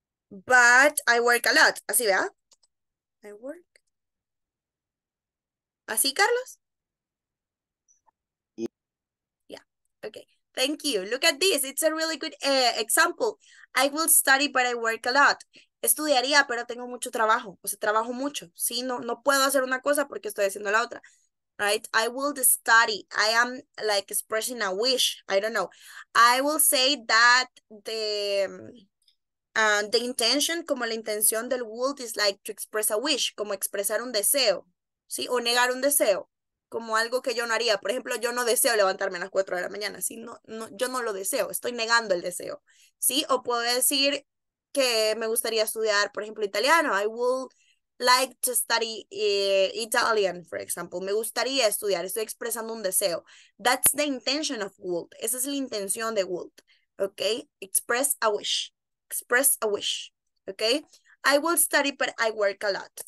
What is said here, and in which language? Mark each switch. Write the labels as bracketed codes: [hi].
[en] But I work a lot. [es] Así, ¿verdad? [en] I work. [es] ¿Así, Carlos? [en] Yeah. Okay. Thank you. Look at this. It's a really good example. I will study, but I work a lot. [es] Estudiaría, pero tengo mucho trabajo. O sea, trabajo mucho. Sí, no puedo hacer una cosa porque estoy haciendo la otra. [en] Right? I will study. I am like expressing a wish. I don't know. I will say that the intention, [es] como la intención del [en] would is like to express a wish, [es] como expresar un deseo, ¿sí? O negar un deseo, como algo que yo no haría. Por ejemplo, yo no deseo levantarme a las 4 de la mañana, ¿sí? No, yo no lo deseo, estoy negando el deseo, ¿sí? O puedo decir que me gustaría estudiar, por ejemplo, italiano. [en] I would like to study Italian, for example. [es] Me gustaría estudiar, estoy expresando un deseo. [en] That's the intention of would. [es] Esa es la intención de would, ¿ok? [en] Express a wish. Express a wish, okay? I will study, but I work a lot.